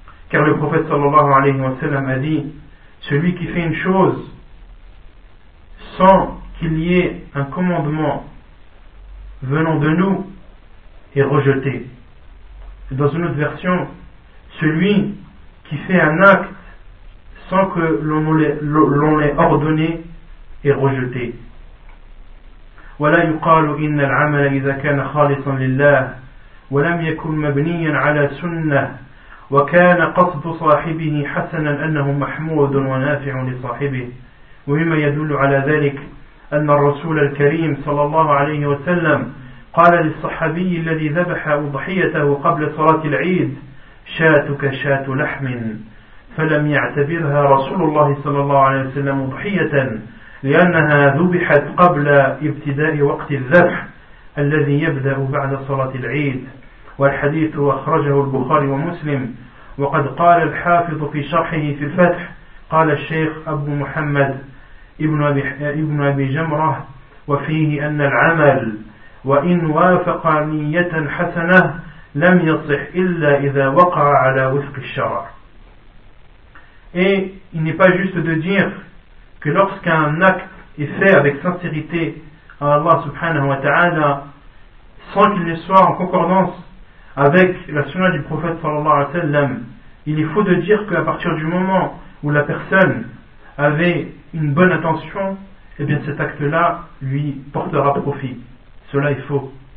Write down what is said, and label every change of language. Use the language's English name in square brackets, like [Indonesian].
[French] Car le prophète [Arabic] sallallahu alayhi wa sallam [French] a dit: celui qui fait une chose sans qu'il y ait un commandement venant de nous est rejeté. Dans une autre version, celui qui fait un acte sans que l'on l'ait ordonné est rejeté. [Arabic] ولا يقال إن العمل إذا كان خالصا لله ولم يكن مبنيا على سنة وكان قصد صاحبه حسنا أنه محمود ونافع لصاحبه. ومما يدل على ذلك أن الرسول الكريم صلى الله عليه وسلم قال للصحابي الذي ذبح أضحيته قبل صلاة العيد: شاتك شاة لحم. فلم يعتبرها رسول الله صلى الله عليه وسلم أضحية، لأنها ذبحت قبل ابتداء وقت الذبح الذي يبدأ بعد صلاة العيد. والحديث أخرجه البخاري ومسلم. وقد قال الحافظ في شرحه في الفتح: قال الشيخ أبو محمد ابن أبي جمرة: وفيه أن العمل وإن وافق نية حسنة لم يصح إلا إذا وقع على وفق الشرع. [French] Et il n'est pas juste de dire que lorsqu'un acte est fait avec sincérité à Allah [Arabic] subhanahu wa ta'ala, [French] sans qu'il ne soit en concordance avec la sunna du prophète [Arabic] sallallahu alayhi wa sallam, [French] il est faux de dire qu'à partir du moment où la personne avait une bonne intention, eh bien cet acte-là lui portera profit. Cela est faux.